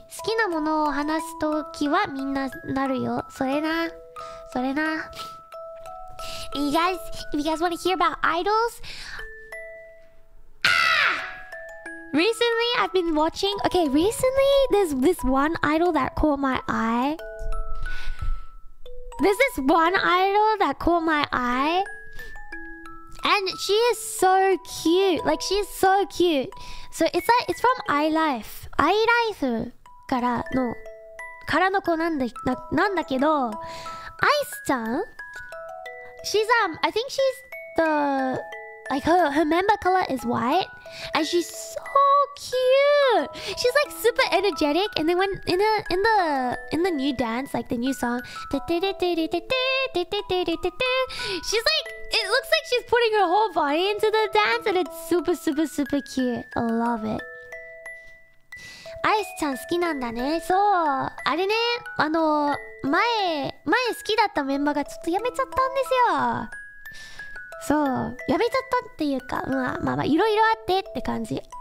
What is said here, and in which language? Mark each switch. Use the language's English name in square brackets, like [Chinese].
[Japanese] 好きなものを話す時はみんななるよ。それな。それな。 [English] You guys, if you guys want to hear about idols... Recently, I've been watching... Okay, recently, there's this one idol that caught my eye. There's this one idol that caught my eye. And she is so cute. Like, she is so cute. So it's like, it's from iLife. iLife [Japanese] kara no... kara no ko nan da kedo... Ice-chan? [English] She's I think she's the... Like, her member color is white. And she's so cute! She's like super energetic. And then when in the new dance, like the new song, she's like, it looks like she's putting her whole body into the dance, and it's super super super cute. I love it. [Japanese] Ice-chan 好きなんだね. So, あれね, あの, 前好きだった メンバーがちょっと辞めちゃったんですよ. So, やめちゃったっていうか, まあまあいろいろあってって感じ.